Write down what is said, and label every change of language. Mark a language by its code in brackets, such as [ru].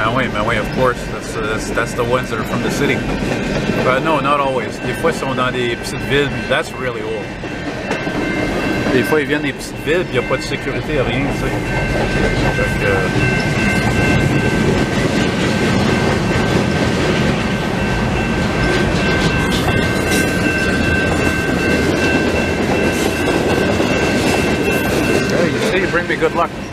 [en] That's the ones that are from the city. But no, not always. [fr] Des fois, ils sont dans des petites villes. [en] That's really old. [fr] Des fois, ils viennent des petites villes, il n'y a pas de sécurité, rien, tu sais. [en] Donc, Hey, you see, you bring me good luck.